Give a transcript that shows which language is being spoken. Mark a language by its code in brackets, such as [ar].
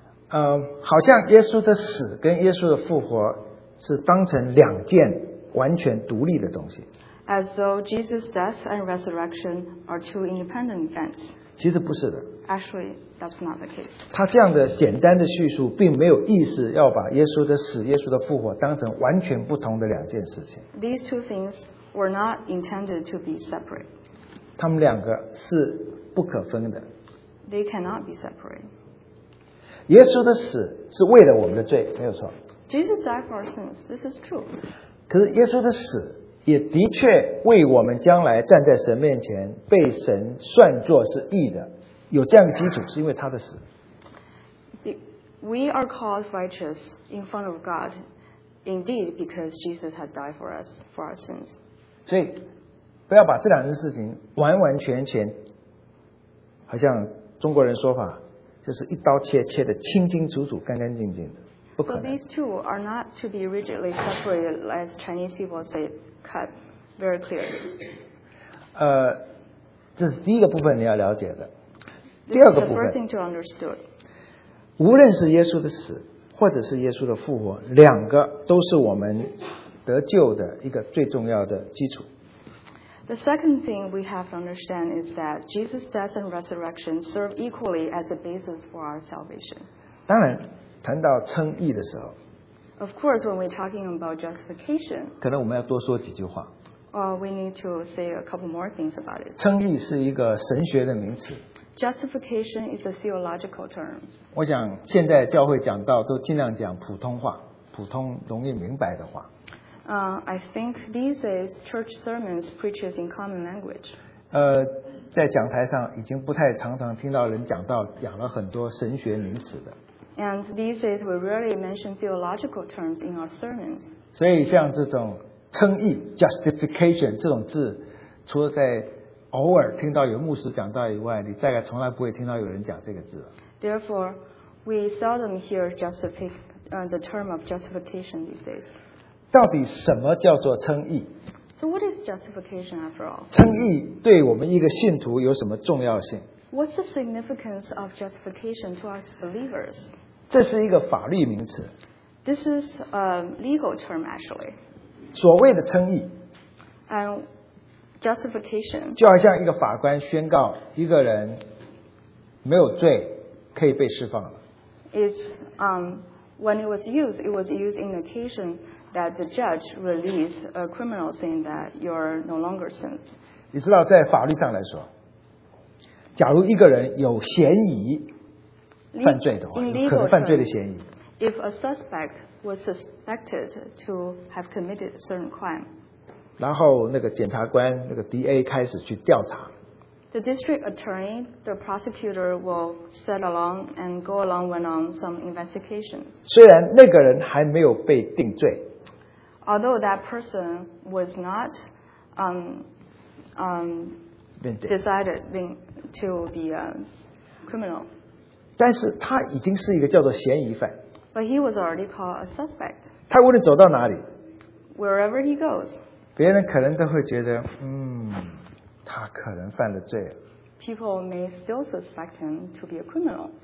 [zh] 好像耶稣的死跟耶稣的复活是当成两件完全独立的东西。 [en] as though Jesus' death and resurrection are two independent events. [zh] 其实不是的。 [en] Actually, that's not the case. [zh] 他这样的简单的叙述并没有意思要把耶稣的死、耶稣的复活当成完全不同的两件事情。 [en] These two things were not intended to be separate. [zh] 他们两个是不可分的。 [en] They cannot be separate. [zh] 耶稣的死是为了我们的罪，没有错。 [en] Jesus died for our sins. This is true. [zh] 可是耶稣的死也的确为我们将来站在神面前被神算作是义的，有这样的基础，是因为他的死。 [en] We are called righteous in front of God, indeed, because Jesus had died for us for our sins. [zh] 所以，不要把这两件事情完完全全，好像中国人说法，就是一刀切，切得清清楚楚、干干净净的。 [en] So these two are not to be rigidly separated, as Chinese people say, cut very clearly. [zh] 这是第一个部分你要了解的。第二个部分。 [en] This is the first thing to understand. [zh] 无论是耶稣的死，或者是耶稣的复活，两个都是我们得救的一个最重要的基础。 [en] The second thing we have to understand is that Jesus' death and resurrection serve equally as a basis for our salvation. [zh] 当然。谈到称义的时候 [en] ，Of course, when we're talking about justification, [zh] 可能我们要多说几句话。 [en] We need to say a couple more things about it. [zh] 称义是一个神学的名词。 [en] Justification is a theological term. [zh] 我想现在教会讲到都尽量讲普通话，普通容易明白的话。 [en] I think these days church sermons preaches in common language. [zh] 在讲台上已经不太常常听到人讲到讲了很多神学名词的。 [en] And these days, we rarely mention theological terms in our sermons. [zh] 所以像这种称义 justification 这种字，除了在偶尔听到有牧师讲到以外，你大概从来不会听到有人讲这个字。 [en] Therefore, we seldom hear the term of justification these days. [zh] 到底什么叫做称义？ [en] So what is justification after all? [zh] 称义对我们一个信徒有什么重要性？ [en] What's the significance of justification to us believers? [zh] 这是一个法律名词。 [en] This is a legal term, actually. [zh] 所谓的称义。 [en] And justification. [zh] 就好像一个法官宣告一个人没有罪，可以被释放了。 [en] It's when it was used in the occasion that the judge released a criminal saying that you're no longer sinned. [zh] 你知道，在法律上来说。假如一个人有嫌疑犯罪的话，有可能犯罪的嫌疑。 [en] If a suspect was suspected to have committed a certain crime, [zh] 然后那个检察官那个 DA 开始去调查。 [en] The district attorney, the prosecutor will set along and go along went on some investigations. [zh] 虽然那个人还没有被定罪。 [en] Although that person was not decided to be a criminal. [zh] 但是他已经是一个叫做嫌疑犯。 [en] But he was already called a suspect. [zh] 他无论走到哪里， [en] wherever he goes, [zh] 别人可能都会觉得，他可能犯了罪。 [en] People may still suspect him to be a criminal.